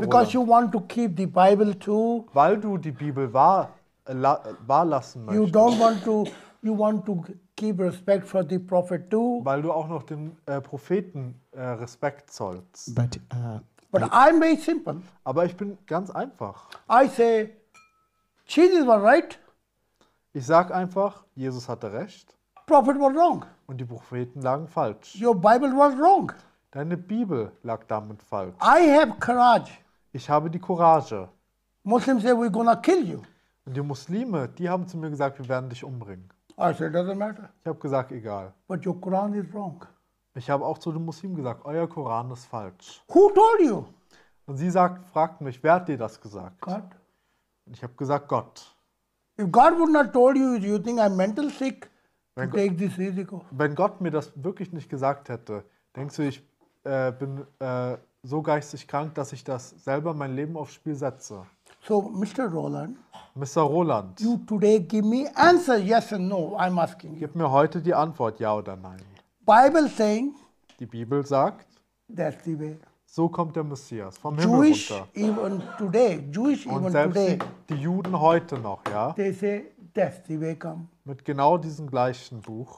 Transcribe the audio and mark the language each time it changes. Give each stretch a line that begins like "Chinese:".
English: because you want to keep the Bible too.
German: Weil du die Bibel wahr lassen möchtest.
English: You don't want to. You want to keep respect for the prophet too.
German: Weil du auch noch den Propheten Respekt zollst.
English: But I'm very simple.
German: Aber ich bin ganz einfach.
English: I say, Jesus was right.
German: Ich sag einfach, Jesus hatte recht.
English: Prophet was wrong.
German: Und die Propheten lagen falsch.
English: Your Bible was wrong.
German: Deine Bibel lag damit falsch.
English: I have courage.
German: Ich habe die Courage.
English: Muslims say we're gonna kill you.
German: Und die Muslime, die haben zu mir gesagt, wir werden dich umbringen.
English: I said, doesn't matter.
German: Ich habe gesagt, egal.
English: But your Quran is wrong.
German: Ich habe auch zu den Muslimen gesagt, euer Koran ist falsch.
English: Who told you?
German: Und sie fragt mich, wer hat dir das gesagt? Gott. Und ich habe gesagt, Gott.
English: If God would not told you, do you think I'm mental sick to take this risk?
German: Wenn Gott mir das wirklich nicht gesagt hätte, denkst du, ich bin so geistig krank, dass ich das selber mein Leben aufs Spiel setze.
English: So, Mr. Roland. Mr. Roland. You today give me answer, yes and no, I'm asking you.
German: Gib mir heute die Antwort, ja oder nein.
English: Bible saying.
German: Die Bibel sagt.
English: That's the way.
German: So kommt der Messias vom
English: Jewish
German: Himmel runter.
English: Even today, Jewish
German: und
English: even today.
German: Die Juden heute noch, ja.
English: They say, that's the way come.
German: Mit genau diesem gleichen Buch.